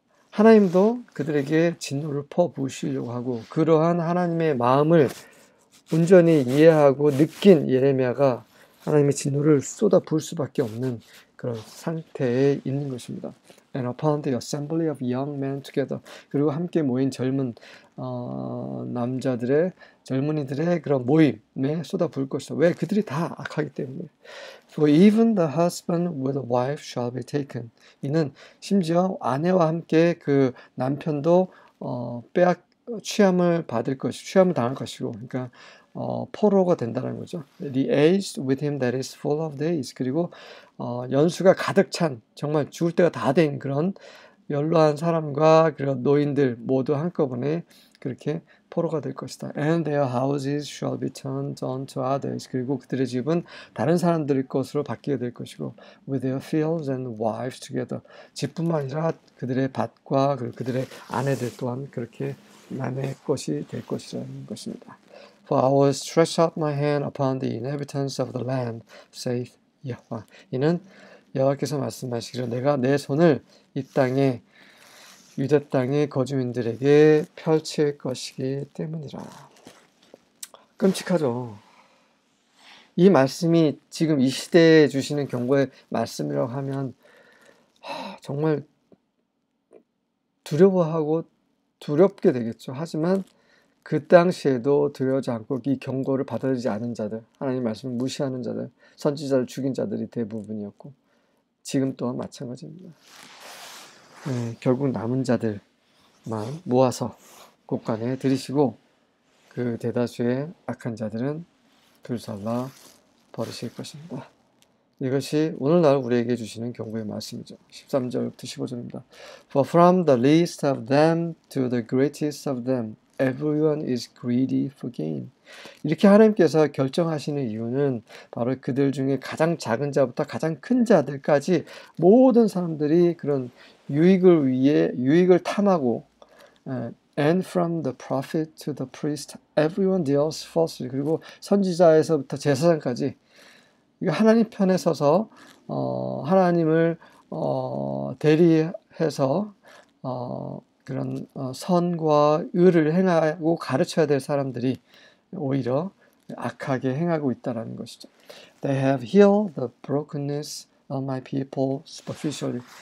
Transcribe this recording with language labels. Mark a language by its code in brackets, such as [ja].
[ko] 하나님도 그들에게 진노를 퍼부으시려고 하고, 그러한 하나님의 마음을 온전히 이해하고 느낀 예레미야가 하나님의 진노를 쏟아 부을 수밖에 없는 그런 상태에 있는 것입니다. [en] And upon the assembly of young men together. [ko] 그리고 함께 모인 젊은 남자들의, 젊은이들의 그런 모임에 쏟아 부을 것이다. 왜? 그들이 다 악하기 때문에. [en] For even the husband with a wife shall be taken. [ko] 이는 심지어 아내와 함께 그 남편도 취함을 받을 것이, 취함을 당할 것이고, 그러니까 포로가 된다는 거죠. [en] The aged with him that is full of days. [ko] 그리고 연수가 가득 찬, 정말 죽을 때가 다된 그런 연로한 사람과 그런 노인들 모두 한꺼번에 그렇게 포로가 될 것이다. [en] And their houses shall be turned unto others. [ko] 그리고 그들의 집은 다른 사람들의 것으로 바뀌게 될 것이고, [en] with their fields and wives together. [ko] 집뿐만 아니라 그들의 밭과 그리고 그들의 아내들 또한 그렇게 남의 것이 될 것이라는 것입니다. [en] For I will stretch out my hand upon the inhabitants of the land, saith Yahweh. [ko] 이는 여호와께서 말씀하시기를, 내가 내 손을 이 땅에, 유대 땅의 거주민들에게 펼칠 것이기 때문이라. 끔찍하죠. 이 말씀이 지금 이 시대에 주시는 경고의 말씀이라고 하면 정말 두려워하고 두렵게 되겠죠. 하지만 그 당시에도 두려워하지 않고 이 경고를 받아들이지 않은 자들, 하나님 말씀을 무시하는 자들, 선지자를 죽인 자들이 대부분이었고, 지금 또한 마찬가지입니다. 결국 남은 자들만 모아서 곳간에 들이시고, 그 대다수의 악한 자들은 불살라 버리실 것입니다. 이것이 오늘날 우리에게 주시는 경고의 말씀이죠. 13절부터 15절입니다. [en] For from the least of them to the greatest of them, everyone is greedy for gain. [ko] 이렇게 하나님께서 결정하시는 이유는 바로 그들 중에 가장 작은 자부터 가장 큰 자들까지 모든 사람들이 그런 유익을 위해 유익을 탐하고 [en] And from the prophet to the priest, everyone deals falsely. [ko] 그리고 선지자에서부터 제사장까지 이거 하나님 편에 서서 하나님을 대리해서 그런 선과 의를 행하고 가르쳐야 될 사람들이 오히려 악하게 행하고 있다라는 것이죠. [en] They have healed the brokenness of my people superficially.